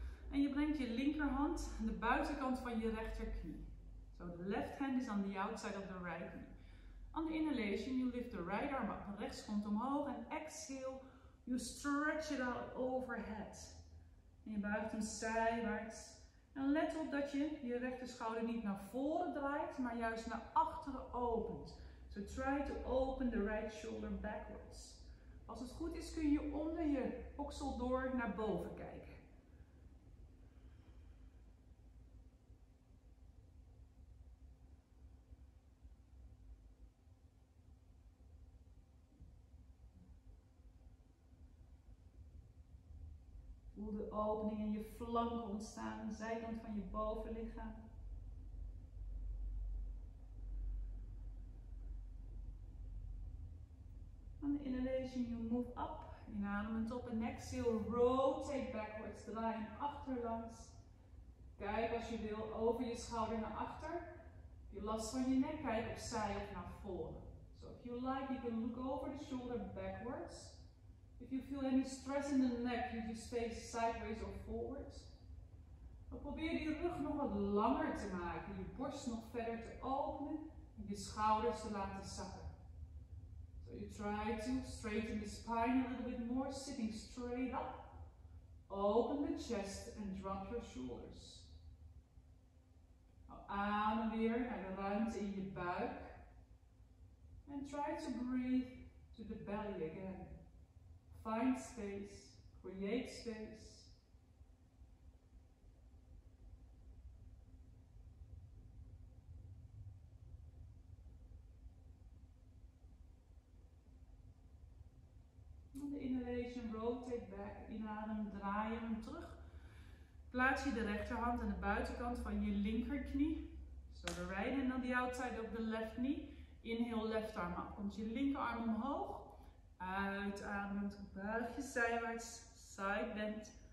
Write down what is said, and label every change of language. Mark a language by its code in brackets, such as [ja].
[nl] En je brengt je linkerhand aan de buitenkant van je rechterknie. [en] So the left hand is on the outside of the right knee. On the inhalation, you lift the right arm up. [nl] Rechts komt omhoog. En [en] exhale, you stretch it out overhead. [nl] En je buigt hem zijwaarts. En let op dat je je rechterschouder niet naar voren draait, maar juist naar achteren opent. [en] So try to open the right shoulder backwards. [nl] Als het goed is kun je onder je oksel door naar boven kijken. Voel de opening in je flank ontstaan, de zijkant van je bovenlichaam. [en] On the inhalation, you move up. [nl] Inademend op en [en] exhale, rotate backwards, [nl] draai achterlangs. Kijk als je wil over je schouder naar achter. [en] If you [nl] last van je nek, kijk opzij of naar voren. [en] So if you like, you can look over the shoulder backwards. If you feel any stress in the neck, you just face sideways or forwards. [nl] Dan probeer die rug nog wat langer te maken, je borst nog verder te openen en je schouders te laten zakken. [en] So you try to straighten the spine a little bit more, sitting straight up. Open the chest and drop your shoulders. [nl] Now adem weer naar de ruimte in je buik. [en] And try to breathe to the belly again. Find space, create space. Inhalation, rotate back, [nl] inadem, draai hem terug. Plaats je de rechterhand aan de buitenkant van je linkerknie. [en] So the right hand on the outside of the left knee. Inhale, left arm up. [nl] Komt je linkerarm omhoog. Uitademend, buig je zijwaarts, [en] side bend.